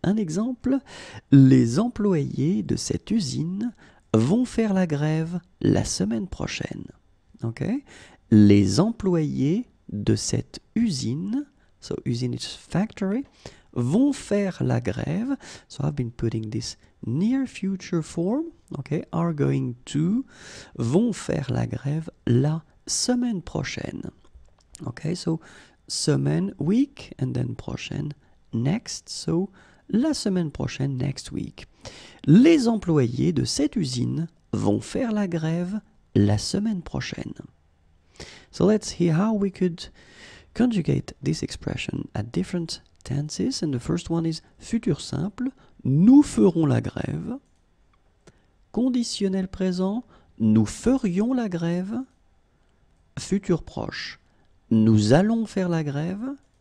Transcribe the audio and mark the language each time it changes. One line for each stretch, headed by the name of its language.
French: Un exemple, les employés de cette usine vont faire la grève la semaine prochaine. Okay? Les employés de cette usine,
English: so usine is factory,
French: vont faire la grève.
English: So I've been putting this near future form. Okay, are going to,
French: vont faire la grève la semaine prochaine.
English: Okay, so semaine, week, and then prochaine, next. So la semaine prochaine, next week.
French: Les employés de cette usine vont faire la grève la semaine prochaine.
English: So let's see how we could conjugate this expression at different tenses. And the first one is futur simple.
French: Nous ferons la grève. Conditionnel présent. Nous ferions la grève. Futur proche. Nous allons faire la grève.